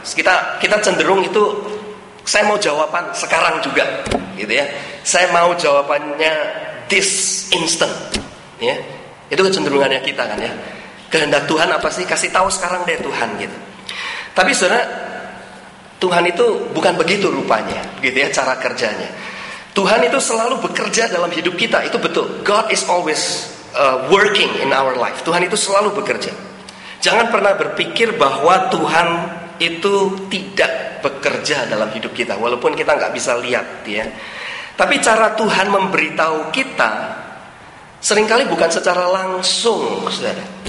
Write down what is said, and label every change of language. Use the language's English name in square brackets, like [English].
[Indonesian] Kita cenderung itu, saya mau jawaban sekarang juga gitu ya, saya mau jawabannya [English] this instant [Indonesian] ya. Itu kecenderungannya kita kan ya, kehendak Tuhan apa sih, kasih tahu sekarang deh Tuhan gitu. Tapi saudara, Tuhan itu bukan begitu rupanya gitu ya, cara kerjanya. Tuhan itu selalu bekerja dalam hidup kita, itu betul. [English] God is always working in our life. [Indonesian] Tuhan itu selalu bekerja. Jangan pernah berpikir bahwa Tuhan itu tidak bekerja dalam hidup kita, walaupun kita gak bisa lihat ya. Tapi cara Tuhan memberitahu kita seringkali bukan secara langsung saudara.